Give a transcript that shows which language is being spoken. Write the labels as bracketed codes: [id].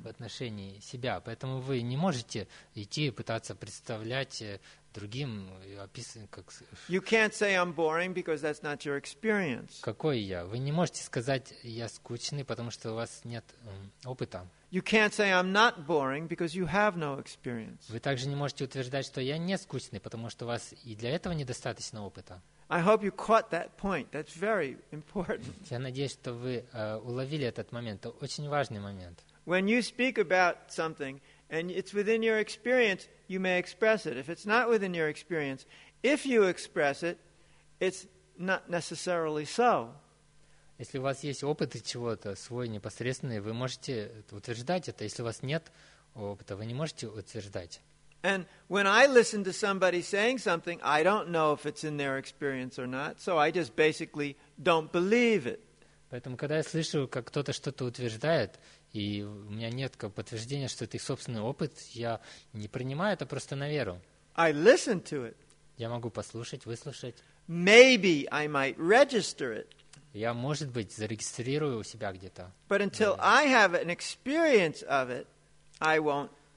[ru] В отношении себя. Поэтому вы не можете идти и пытаться представлять другим, описывать как... [en] You can't say I'm boring because that's not your experience. [ru] Какой я? Вы не можете сказать, я скучный, потому что у вас нет опыта. [en] You can't say I'm not boring because you have no experience. [ru] Вы также не можете утверждать, что я не скучный, потому что у вас и для этого недостаточно опыта. [en] I hope you caught that point. That's very important. [ru] Я надеюсь, что вы уловили этот момент. Это очень важный момент. [en] When you speak about something and it's within your experience, you may express it. If it's not within your experience, if you express it, it's not necessarily so. [ru] Если у вас есть опыт чего-то свой непосредственный, вы можете утверждать это. Если у вас нет опыта, вы не можете утверждать. [en] And when I listen to somebody saying something, I don't know if it's in their experience or not, so I just basically don't believe it. [ru] Поэтому, когда я слышу, как кто-то что-то утверждает, и у меня нет подтверждения, что это их собственный опыт, я не принимаю это просто на веру. [en] I listen to it. [ru] Я могу послушать, выслушать. [en] Maybe I might register it. [ru] Я, может быть, зарегистрирую у себя где-то. [en] But until I have an experience of it, I won't.